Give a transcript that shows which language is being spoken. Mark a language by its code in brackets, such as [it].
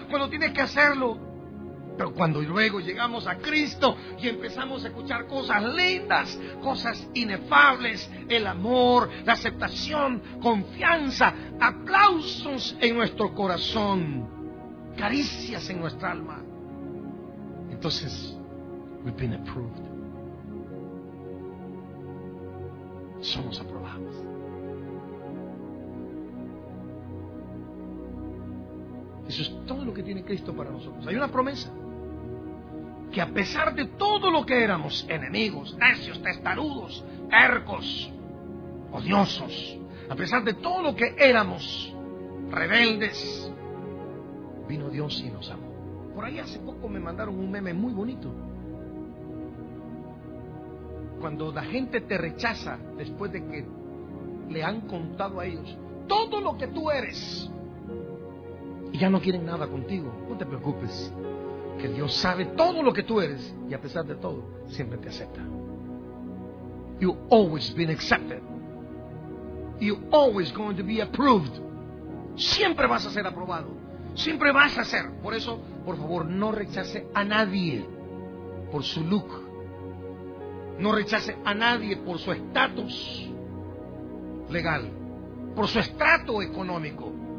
[es] Cuando tiene que hacerlo. Pero cuando luego llegamos a Cristo y empezamos a escuchar cosas lindas, cosas inefables, el amor, la aceptación, confianza, aplausos en nuestro corazón, caricias en nuestra alma. Entonces, [en] we've been approved. [es] Somos aprobados. Eso es todo lo que tiene Cristo para nosotros. Hay una promesa. Que a pesar de todo lo que éramos, enemigos, necios, testarudos, tercos, odiosos, a pesar de todo lo que éramos, rebeldes, vino Dios y nos amó. Por ahí hace poco me mandaron un meme muy bonito. Cuando la gente te rechaza después de que le han contado a ellos todo lo que tú eres y ya no quieren nada contigo, no te preocupes, que Dios sabe todo lo que tú eres y a pesar de todo siempre te acepta. [en] You always been accepted. You always going to be approved. [es] Siempre vas a ser aprobado. Siempre vas a ser. Por eso, por favor, no rechace a nadie. por su look. No rechace a nadie por su estatus legal, por su estrato económico.